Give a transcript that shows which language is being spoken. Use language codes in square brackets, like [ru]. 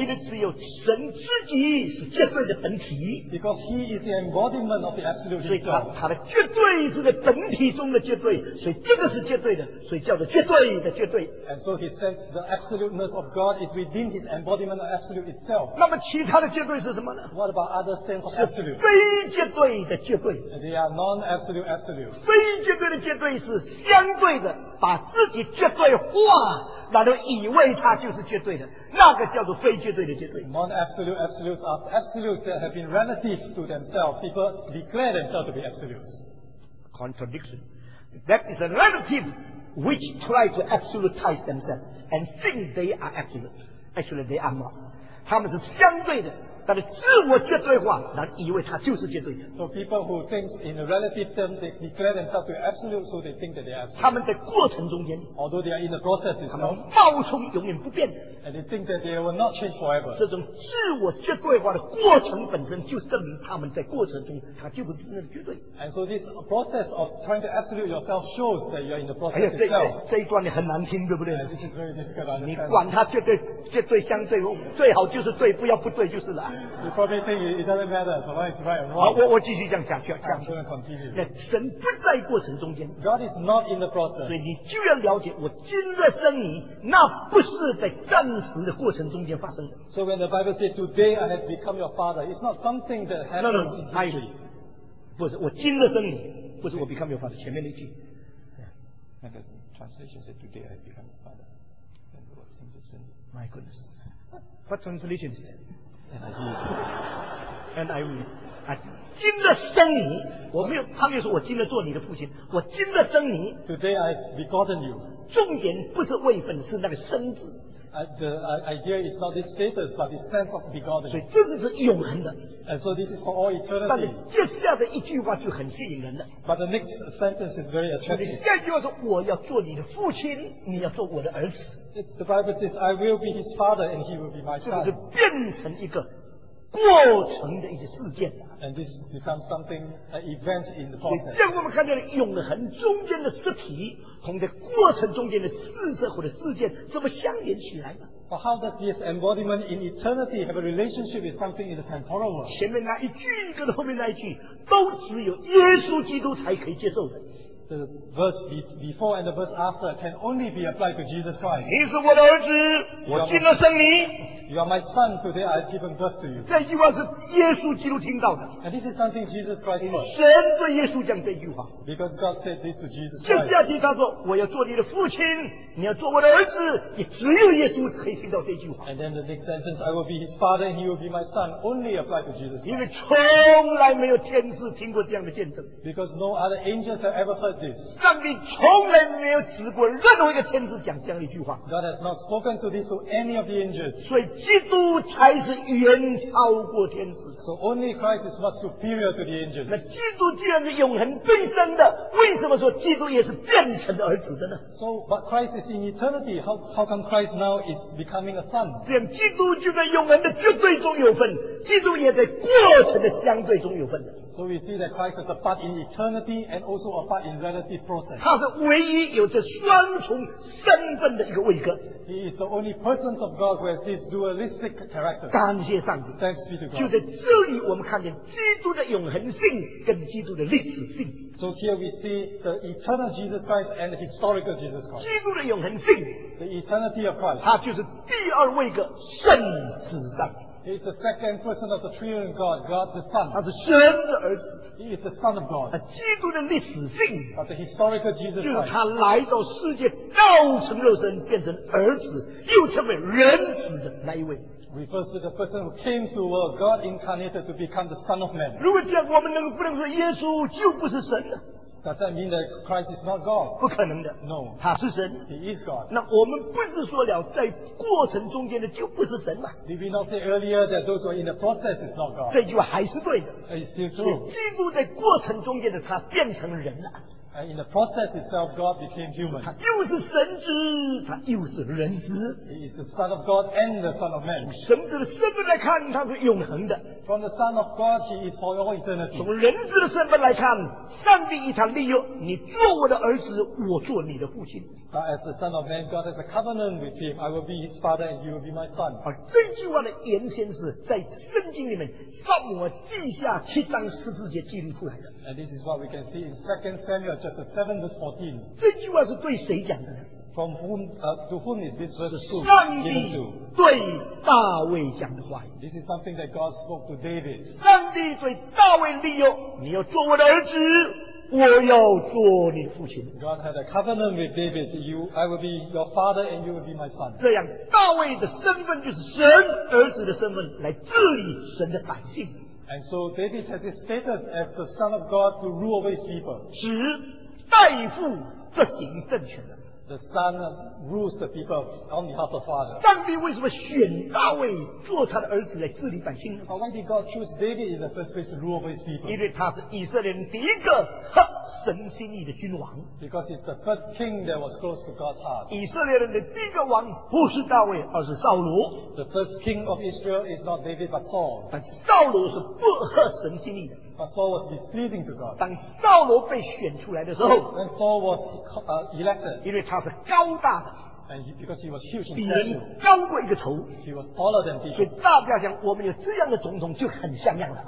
[zh] 因为只有神自己是绝对的本体。 [en] Because he is the embodiment of the absolute himself. [zh] 所以他的绝对是在本体中的绝对，所以这个是绝对的，所以叫做绝对的绝对。 [en] And so he says the absoluteness of God is within his embodiment of absolute itself. [zh] 那么其他的绝对是什么呢？ [en] What about other sense of absolute? [zh] 非绝对的绝对。 [en] They are non-absolute absolute. [zh] 非绝对的绝对是相对的，把自己绝对化，然后以为它就是绝对的，那个叫做非绝对的绝对。 [en] Non-absolute absolutes are absolutes that have been relative to themselves. People declare themselves to be absolutes. Contradiction. That is a relative which try to absolutize themselves and think they are absolute. Actually, they are not. [zh] 他们是相对的，但是自我绝对化，然后以为他就是绝对的。 [en] So people who think in a relative term, they declare themselves to be absolute, so they think that they are absolute. [zh] 他们在过程中间 [en] ，although they are in the process itself, [zh] 他们冒充永远不变的。 [en] And they think that they will not change forever. [zh] 这种自我绝对化的过程本身就证明他们在过程中他就不是真的绝对。 [en] And so this process of trying to absolute yourself shows that you are in the process itself. [zh] 这一段你很难听，对不对 [en] ？This is very difficult. [zh] 你管他绝对绝对相对，最好就是对，不要不对就是了。 [en] You probably think it doesn't matter so long as it's right or wrong. [zh] 好，我继续这样讲，讲讲。 [en] I'm going to continue. [zh] 那神不在过程中间。 [en] God is not in the process. [zh] 所以你就要了解，我今日生你，那不是在暂时的过程中间发生的。 [en] So when the Bible says today I have become your father, it's not something that happens in history. [zh] 不是，我今日生你，不是我 [en] become your father。 [zh] 前面那句。那个 [en] translation said today I have become your father. [zh] 那个我今日生你。 [en] My goodness. What translation is that? And I will. And I will. [zh] 今日生你，我没有，他没有说我今日做你的父亲，我今日生你。 [en] Today I begotten you. [zh] 重点不是位分，是那个生字。 [en] The idea is not this status, but this sense of begotten. [zh] 所以这个是永恒的。 [en] And so this is for all eternity. [zh] 但是接下的一句话就很吸引人了。 [en] But the next sentence is very attractive. [zh] 下一句话说我要做你的父亲，你要做我的儿子。 [en] The Bible says, I will be his father and he will be my son. [zh] 这是变成一个过程的一些事件。 [en] And this becomes something, an event in the process. [zh] 所以这样我们看见了永恒中间的实体同在过程中间的事实或者事件怎么相连起来呢？ [en] But how does this embodiment in eternity have a relationship with something in the temporal world? [zh] 前面那一句跟后面那一句都只有耶稣基督才可以接受的。 [en] The verse before and the verse after can only be applied to Jesus Christ. [zh] 你是我的儿子，我今日生你。 [en] You are my son. Today I've given birth to you. [zh] 这句话是耶稣基督听到的。 [en] And this is something Jesus Christ heard. [zh] 神对耶稣讲这句话。 [en] Because God said this to Jesus Christ. [zh] 接下去他说，我要做你的父亲，你要做我的儿子。也只有耶稣可以听到这句话。 [en] And then the next sentence, I will be his father and he will be my son. Only applied to Jesus Christ. [zh] 因为从来没有天使听过这样的见证。 [en] Because no other angels have ever heard. [zh] 上帝从来没有指过任何一个天使讲这样一句话。 [en] God has not spoken to this to any of the angels. [zh] 所以基督才是远超过天使。 [en] So only Christ is much superior to the angels. [zh] 那基督既然是永恒最真的，为什么说基督也是变成儿子的呢 [en] ？So but Christ is in eternity. How come Christ now is becoming a son? [zh] 这样基督就在永恒的绝对中有份，基督也在过程的相对中有份的。 [en] So we see that Christ is a part in eternity and also a part in relative process. [zh] 他是唯一有这双重身份的一个位格。 [en] He is the only person of God who has this dualistic character. [zh] 感谢上帝。 [en] Thanks be to God. [zh] 就在这里我们看见基督的永恒性跟基督的历史性。 [en] So here we see the eternal Jesus Christ and the historical Jesus Christ. [zh] 基督的永恒性。 [en] The eternity of Christ. [zh] 他就是第二位格圣子上帝。 [en] He is the second person of the Triune God, God the Son. [zh] 他是神的儿子。 [en] He is the Son of God. [zh] 基督的历史性。 [en] But the historical Jesus Christ. [zh] 就是他来到世界，道成肉身，变成儿子，又成为人子的那一位。 [en] Refers to the person who came to world, God incarnated to become the Son of Man. [zh] 如果这样，我们能不能说耶稣就不是神了？ [en] Does that mean that Christ is not God? [zh] 不可能的。 [en] No. [zh] 他是神。 [en] He is God. [zh] 那我们不是说了在过程中间的就不是神吗？ [en] Did we not say earlier that those who are in the process is not God? [zh] 这句话还是对的。 [en] It's still true. [zh] 基督在过程中间的他变成人了。 [en] And in the process itself, God became human. [zh] 他又是神子，他又是人子。 [en] He is the Son of God and the Son of Man. [zh] 从神子的身份来看，他是永恒的。 [en] From the Son of God, He is for all eternity. [zh] 从人子的身份来看，上帝与他立约，你做我的儿子，我做你的父亲。 [en] But as the Son of Man, God has a covenant with Him. I will be His Father, and He will be my Son. [zh] 而这句话的原先是在圣经里面撒母耳记下七章十四节记录出来的。 [en] And this is what we can see in 2 Samuel chapter 7 verse 14. [zh] 这句话是对谁讲的呢？ [en] From whom, to whom is this verse [zh] 2 [en] given to? [zh] 对大卫讲的话。 [en] This is something that God spoke to David. [zh] 上帝对大卫立约，你要做我的儿子。我要做你父亲。 [en] God had a covenant with David. I will be your father and you will be my son. [zh] 这样，大卫的身份就是神儿子的身份，来治理神的百姓。 [en] And so David has his status as the son of God to rule over his people. [zh] 只代父执行政权的。 [en] The son rules the people on behalf of the father. [zh] 上帝为什么选大卫做他的儿子来治理百姓呢？ [en] But why did God choose David in the first place to rule over his people? [zh] 因为他是以色列人第一个合神心意的君王。 [en] Because he's the first king that was close to God's heart. [zh] 以色列人的第一个王不是大卫，而是扫罗。 [en] The first king of Israel is not David but Saul. [zh] 但扫罗是不合神心意的。 [en] But Saul was displeasing to God. [zh] 当扫罗被选出来的时候 [en] ，When Saul was elected, [zh] 因为他是高大的 [en] And he, because he was huge in [zh] 比人高过一个头 [en] he was taller than people. [zh] 所以大家想我们有这样的总统就很像样了